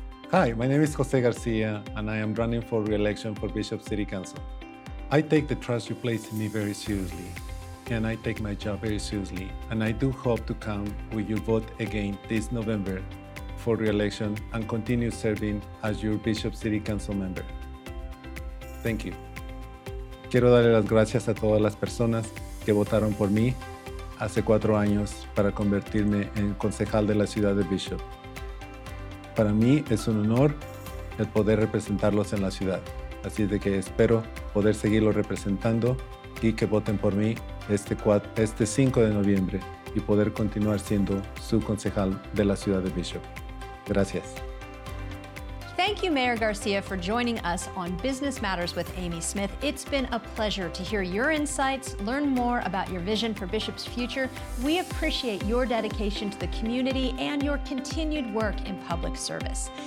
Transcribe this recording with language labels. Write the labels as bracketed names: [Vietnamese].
[English] Hi, my name is Jose Garcia, and I am running for re-election for Bishop City Council. I take the trust you place in me very seriously, and I take my job very seriously, and I do hope to come with your vote again this November for re-election and continue serving as your Bishop City Council member. Thank you. [Spanish] Quiero darle las gracias a todas las personas que votaron por mí hace 4 años para convertirme en concejal de la ciudad de Bishop. Para mí es un honor el poder representarlos en la ciudad. Así de que espero poder seguirlo representando y que voten por mí este 5 de noviembre y poder continuar siendo su concejal de la ciudad de Bishop. Gracias. [English] Thank you, Mayor Garcia, for joining us on Business Matters with Amy Smith. It's been a pleasure to hear your insights, learn more about your vision for Bishop's future. We appreciate your dedication to the community and your continued work in public service.